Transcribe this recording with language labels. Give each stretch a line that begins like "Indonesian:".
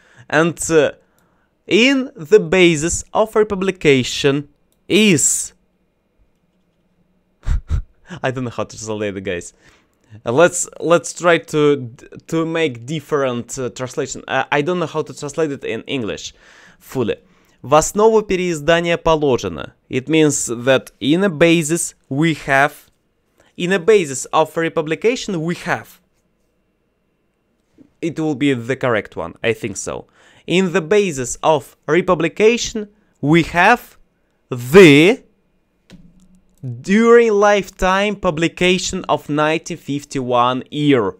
English: And in the basis of republication is, I don't know how to translate it, guys. Let's try to make different translation. I don't know how to translate it in English. Fully.
Russian: В основу переиздания положено.
English: It means that in a basis of republication we have. It will be the correct one. I think so. in the basis of republication, we have the during lifetime publication of 1951 year.